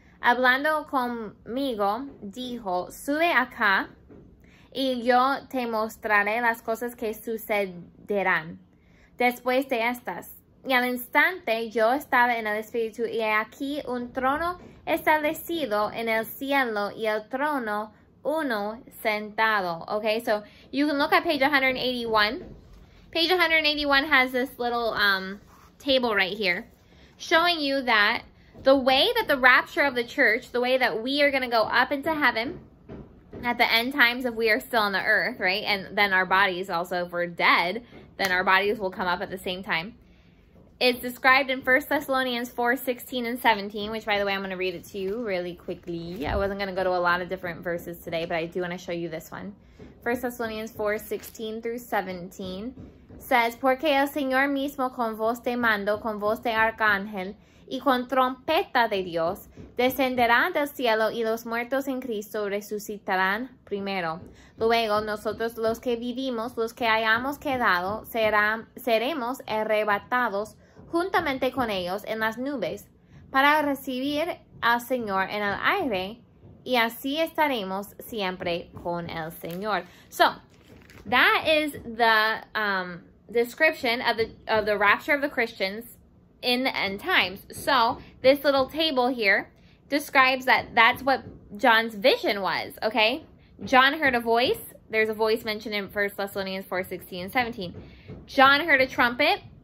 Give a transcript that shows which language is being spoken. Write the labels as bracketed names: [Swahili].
[Spanish] Hablando conmigo, dijo, sube acá, y yo te mostraré las cosas que sucederán después de estas. Y al instante, yo estaba en el espíritu, y aquí un trono establecido en el cielo, y el trono uno sentado. [English] Okay, so you can look at page 181. Page 181 has this little table right here, showing you that the way that the rapture of the church, the way that we are going to go up into heaven at the end times if we are still on the earth, right? And then our bodies also, if we're dead, then our bodies will come up at the same time. It's described in 1 Thessalonians 4:16 and 17, which, by the way, I'm going to read it to you really quickly. I wasn't going to go to a lot of different verses today, but I do want to show you this one. 1 Thessalonians 4:16 through 17 says, [Spanish] Porque el Señor mismo con voz de mando, con voz de arcángel, y con trompeta de Dios, descenderá del cielo, y los muertos en Cristo resucitarán primero. Luego, nosotros los que vivimos, los que hayamos quedado, seremos arrebatados juntamente con ellos en las nubes para recibir al Señor en el aire, y así estaremos siempre con el Señor. [English] So, that is the description of the rapture of the Christians in the end times. So this little table here describes that that's what John's vision was, okay? John heard a voice. There's a voice mentioned in 1 Thessalonians 4:16 and 17. John heard a trumpet.